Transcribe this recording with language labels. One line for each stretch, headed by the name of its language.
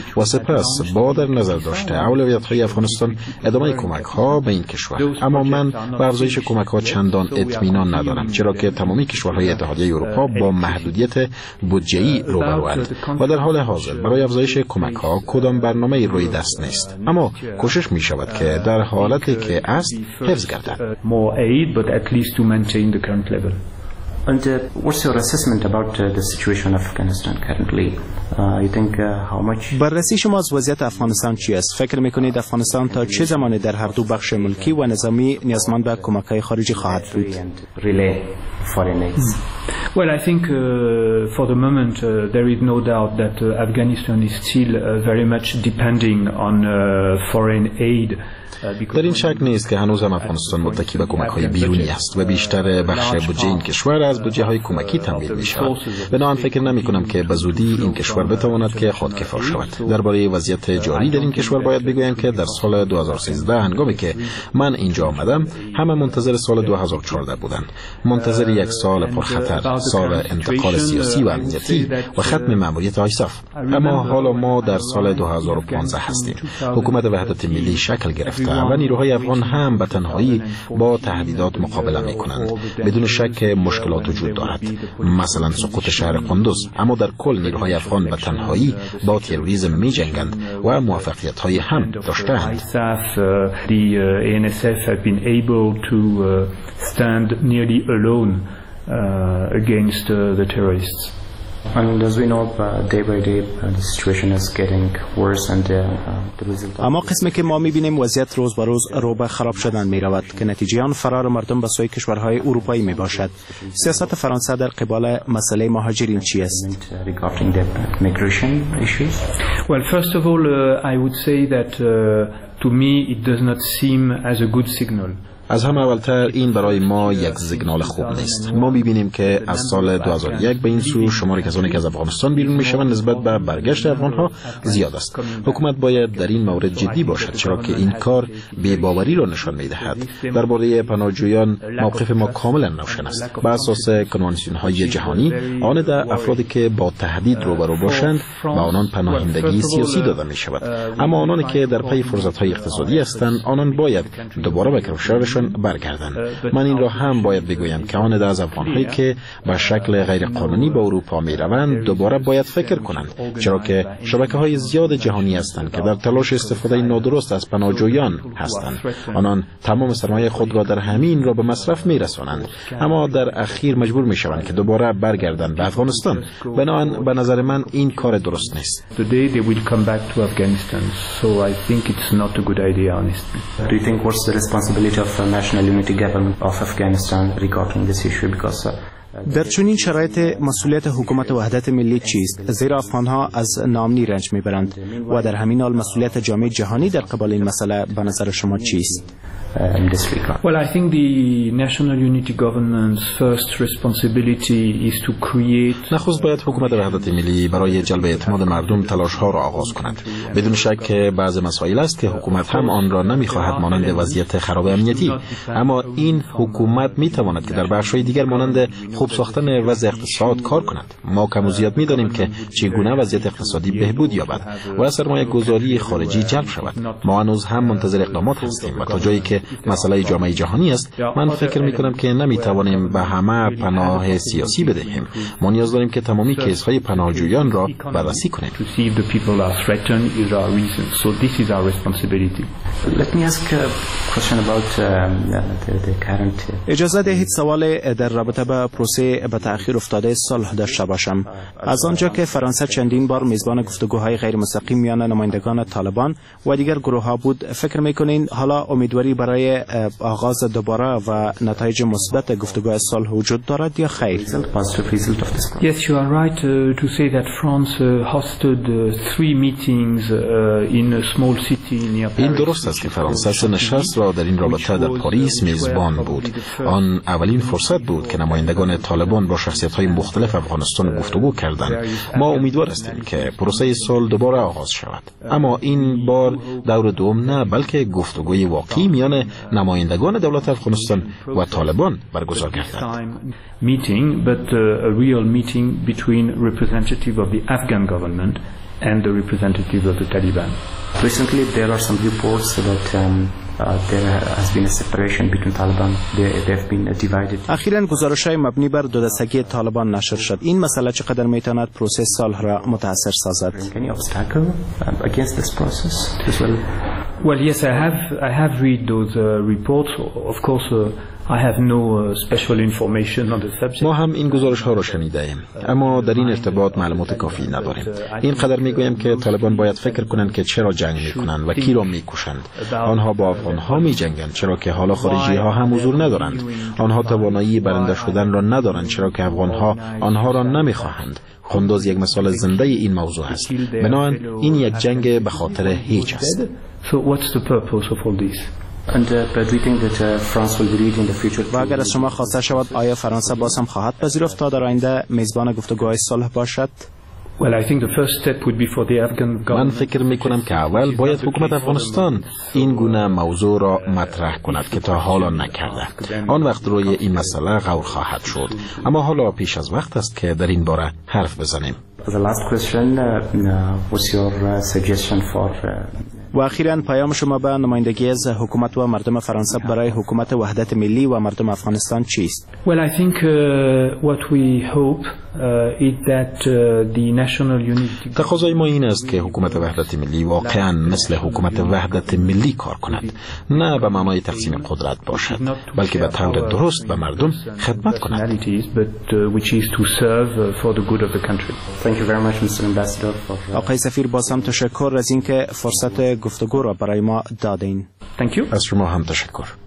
Persian: و سپس با در نظر داشته اولویت های افغانستان ادامه کمک ها به این کشور اما من به کمک‌ها چندان اطمینان ندارم چرا که تمامی کشورهای اتحادیه اروپا با محدودیت بودجه‌ای روبرو‌اند و در حال حاضر برای افزایش کمک‌ها کدام برنامه‌ای روی دست نیست اما کوشش می‌شود که در حالتی که است حفظ گردد
English: And what's your assessment about the situation of Afghanistan currently? You think how much?
Persian: بررسی شما از وضعیت افغانستان چی است؟ فکر میکنید افغانستان تا چه زمانی در هر دو بخش ملکی و نظامی نیازمند به کمک‌های خارجی خواهد بود؟
English: Well, I think for the moment there is no doubt that Afghanistan is still very much depending on foreign aid.
Persian: در این شک نیست که هنوز هم افغانستان متکی به کمک‌های بیرونی است و بیشتر بخش بودجه این کشور از بودجه های کمکی تمویل می شود. بنابراین فکر نمی کنم که به زودی این کشور بتواند که خودکفا شود. درباره وضعیت جاری در این کشور باید بگویم که در سال 2013 هنگامی که من اینجا آمدم همه منتظر سال 2014 بودند. منتظر یک سال پرخطر، سال انتقال سیاسی و امنیتی و ختم ماموریت ISAF. اما حالا ما در سال 2015 هستیم. حکومت وحدت ملی شکل گرفته و نیروهای افغان هم به تنهایی با تهدیدات مقابله می کنند. بدون شک مشکلات وجود دارد. مثلا سقوط شهر قندوز. اما در کل نیروهای افغان به تنهایی با تروریسم می جنگند و موفقیت های هم داشتند.
English: And as we know, day by day, the situation is getting worse, and the result.
Persian: اما قسمی که ما می‌بینیم وضعیت روز به روز رو به خراب شدن می‌رود که نتیجه آن فرار مردم به سوی کشورهای اروپایی می‌باشد. سیاست فرانسه در قبال مسئله مهاجرین چی است؟
English: Regarding the migration issues. Well, first of all, I would say that to me, it does not seem as a good signal.
Persian: از همه اولتر این برای ما یک سیگنال خوب نیست. ما میبینیم که از سال 2001 به این سو شمار کسانی که از افغانستان بیرون میشوند نسبت به برگشت افغانها زیاد است. حکومت باید در این مورد جدی باشد چرا که این کار بی‌باوری را نشان میدهد. درباره پناهجویان موقف ما کاملا روشن است. بر اساس کنوانسیون های جهانی آن در افرادی که با تهدید روبرو باشند به آنان پناهندگی سیاسی داده میشود. اما آنانی که در پی فرصت های اقتصادی هستند آنان باید دوباره به کشور شون برگردن. من این را هم باید بگویم که آن از افغانهایی که به شکل غیر قانونی به اروپا می روند دوباره باید فکر کنند چرا که شبکه های زیاد جهانی هستند که در تلاش استفاده نادرست از پناهجویان هستند. آنان تمام سرمایه خود را در همین را به مصرف می رسانند اما در اخیر مجبور می شوند که دوباره برگردن به افغانستان. بنابراین به نظر من این کار درست نیست.
English: Of national unity government of Afghanistan regarding this issue because
Persian: در چنین شرایط مسئولیت حکومت وحدت ملی چیست؟ زیرا افغان ها از نامنی رنج میبرند و در همین حال مسئولیت جامعه جهانی در قبال این مسئله به نظر شما چیست؟
English: Well, I think the national unity government's first responsibility is to create.
Persian: نخست باید حکومت وحدت ملی برای جلب اعتماد مردم تلاش ها را آغاز کند. بدون شک که بعض مسائل است که حکومت هم آن را نمیخواهد مانند وضعیت خراب امنیتی، اما این حکومت میتواند که در بخش های دیگر مانند خوب ساختن وضع اقتصاد کار کنند. ما کم و زیاد می دانیم که چگونه وضعیت اقتصادی بهبود یابد و سرمایه گذاری خارجی جلب شود. ما هنوز هم منتظر اقدامات هستیم و تا جایی که مسئله جامعه جهانی است، من فکر می کنم که نمی توانیم به همه پناه سیاسی بدهیم. ما نیاز داریم که تمامی کیس های پناهجویان را بررسی کنیم. اجازه دهید سوال در رابطه با پروسه به تأخیر افتاده صلح داشته باشم. از آنجا که فرانسه چندین بار میزبان گفتگوهای غیر مستقیم میان نمایندگان طالبان و دیگر گروه ها بود، فکر میکنین حالا امیدواری برای آغاز دوباره و نتایج مثبت گفتگوهای صلح وجود دارد یا خیر؟
English: Yes, you are right to say that France hosted three meetings in a small city near Paris.
Persian: این درست است که فرانسه سه نشست را در این رابطه در پاریس میزبان بود. آن اولین فرصت بود که نمایندگان طالبان با شخصیت‌های مختلف افغانستان گفتگو کردند. ما امیدوار هستیم که پروسه صلح دوباره آغاز شود، اما این بار دور دوم نه، بلکه گفتگوی واقعی میان نمایندگان دولت افغانستان و طالبان برگزار گردد.
English: Meeting, but a real meeting between representative of the Afghan government and the representative of the Taliban. Recently, there are some reports about there has been a separation between Taliban. They have been divided.
Persian: اخیراً گزارش‌های مبنی بر دودستگی طالبان نشر شد. این مسئله چقدر می‌تواند پروسه صلح را متأثر سازد؟
English: Any obstacle against this process as well? Well, yes, I have read those reports. Of course. I have no special information on the subject.
Persian: ما هم این گزارش ها را شنیده ایم، اما در این ارتباط معلومات کافی نداریم. این قدر می گویم که طالبان باید فکر کنند که چرا جنگ می کنند و کی را می کشند. آنها با افغان ها می جنگند چرا که حالا خارجی ها هم حضور ندارند. آنها توانایی برنده شدن را ندارند چرا که افغان ها آنها را نمی خواهند. خونداز یک مثال زنده این موضوع است. بنابراین این یک جنگ به خاطر هیچ است.
English: So what's the purpose of all this? And but we think that France will be leading in the future.
Persian: و اگر از شما خواسته شود آیا فرانسه باز هم خواهد پذیرفت تا در آینده میزبان گفتگوهای صلح باشد؟
English: Well, I think the first step would be for the Afghan government.
Persian: من فکر میکنم که اول باید حکومت افغانستان این گونه موضوع را مطرح کند که تا حالا نکرده. آن وقت روی این مسئله غور خواهد شد. اما حالا پیش از وقت است که در این باره حرف بزنیم.
English: The last question, what's your suggestion for
Persian: و اخیراً پیام شما به نمایندگی از حکومت و مردم فرانسه برای حکومت وحدت ملی و مردم افغانستان چیست؟
English: Well, I think what we hope is that the national unity.
Persian: تقاضای ما این است که حکومت وحدت ملی واقعاً مثل حکومت وحدت ملی کار کند، نه به معنای تقسیم قدرت باشد، بلکه به طور درست به مردم خدمت کند.
English: Which is to serve for the good of the country. Thank you very much, Mr. Ambassador.
Persian: آقای سفیر، باز هم تشکر از اینکه فرصت گفتگو را برای ما دادین.
English: Thank you.
Persian: از شما هم تشکر.